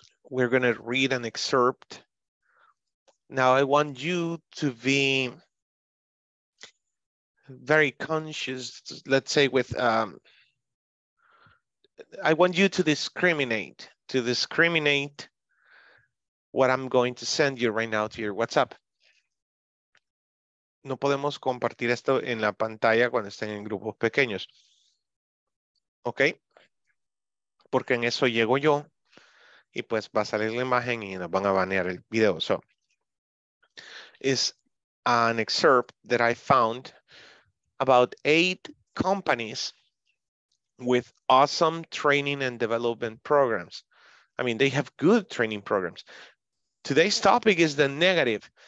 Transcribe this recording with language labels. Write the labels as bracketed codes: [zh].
[en] We're going to read an excerpt. Now, I want you to be very conscious, let's say, with, I want you to discriminate what I'm going to send you right now to your WhatsApp. [es] No podemos compartir esto en la pantalla cuando estén en grupos pequeños. ¿Ok? Porque en eso llego yo y pues va a salir la imagen y nos van a banear el video. [en] So, it's an excerpt that I found about 8 companies with awesome training and development programs. I mean, they have good training programs. Today's topic is the negative.